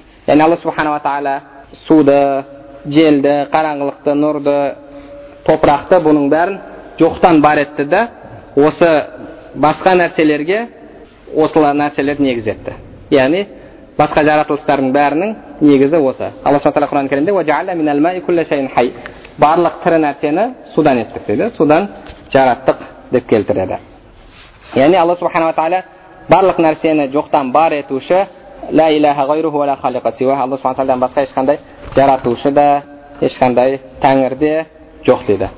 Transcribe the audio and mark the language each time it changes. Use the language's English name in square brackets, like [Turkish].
[Kazakh] Яғни Алла субхана ва тааля суды, желді, қараңғылықты, нұрды, топырақты бұның бәрін жоқтан бар етті де, осы басқа нәрселерге осылар нәрселерді негіз етті. Яғни басқа жаратылыстардың бәрінің негізі осы. Алла Субхана тааля Құран Кәрімде [Arabic] وجعل من الماء كل شيء حي. [Kazakh] Барлық тірі нәрсені судан еттік деді. Судан жараттық деп келтіреді. Яғни Алла Субхана ва тааля барлық нәрсені жоқтан бар етуші, [Arabic] ла илаха гайруху ва ла халиқа сиваһу. [Kazakh] Алла Субхана тааладан басқа ешқандай жаратушы да, ешқандай тәңір де жоқ деді.